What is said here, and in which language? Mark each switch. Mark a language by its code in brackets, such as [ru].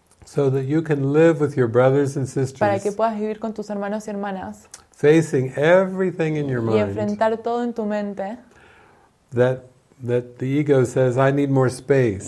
[en] So that you can live with your brothers and sisters. [es] Para que puedas vivir con tus hermanos y hermanas. [en] Facing everything in your mind. [es] Y enfrentar todo en tu mente. [en] That the ego says, I need more space.